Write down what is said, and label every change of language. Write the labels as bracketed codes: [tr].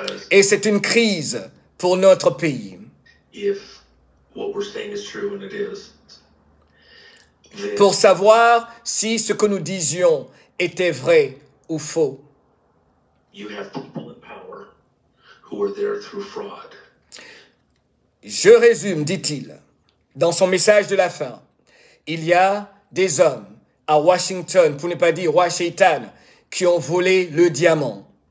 [fr] Et c'est une crise pour notre pays. [en] If what we're saying is true and it is, [fr] pour savoir si ce que nous disions était vrai ou faux. [en] You have people in power who are there through fraud. [fr] Je résume, dit-il. Dans son message de la fin, il y a des hommes à Washington, pour ne pas dire Washington, qui ont volé le diamant.